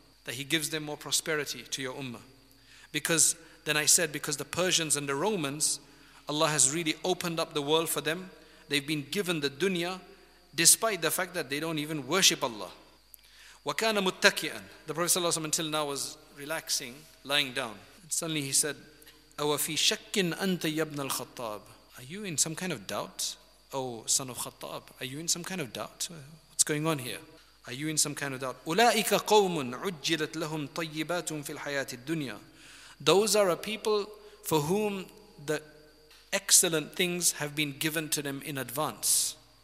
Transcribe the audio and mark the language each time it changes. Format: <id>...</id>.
<en>That he gives them more prosperity to your ummah. Because then I said, because the Persians and the Romans, Allah has really opened up the world for them. They've been given the dunya, despite the fact that they don't even worship Allah.</en> <ar>وَكَانَ مُتَّكِئًا.</ar> <en>The Prophet ﷺ until now was relaxing, lying down. And suddenly he said,</en> <ar>أَوَفِي شَكٍ أَنْتَ يَبْنَ الْخَطَّابِ.</ar> <en>Are you in some kind of doubt, O son of Khattab? Are you in some kind of doubt? What's going on here? Are you in some kind of doubt?</en> <ar>أُولَٰئِكَ قَوْمٌ عُجِّلَتْ لَهُمْ طَيِّبَاتٌ فِي الْحَيَاةِ الدُّنْيَا.</ar> <en>Those are a people for whom the excellent things have been given to them in advance.</en>